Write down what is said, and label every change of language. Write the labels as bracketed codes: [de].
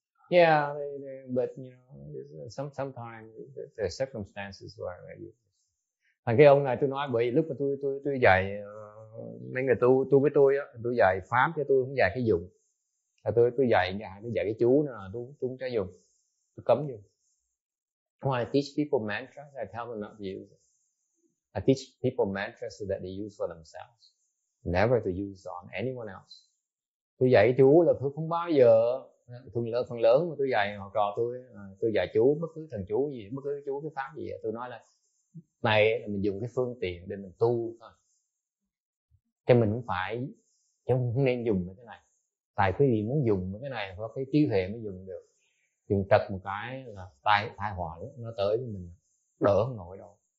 [en] Yeah, they, but you know, sometimes there are circumstances where you. [vi] Thằng cái ông này tôi nói bởi vì lúc mà tôi dạy mấy người tu với tôi á, tôi dạy pháp cho tôi không dạy cái dụng. Tôi dạy cái chú nữa, tôi không cho dùng, tôi cấm dùng. [en] When I teach people mantras, I tell them not to use it. I teach people mantras so that they use for themselves, never to use on anyone else. [vi] Tôi dạy chú là tôi không bao giờ phần lớn mà tôi dạy học trò tôi dạy chú, bất cứ thần chú gì, bất cứ chú cái pháp gì, tôi nói là này là mình dùng cái phương tiện để mình tu thôi, cho mình không phải, chứ không nên dùng cái này. Tại quý vị muốn dùng cái này có cái trí huệ mới dùng được, dùng trật một cái là tai họa nó tới với mình, đỡ không nổi đâu.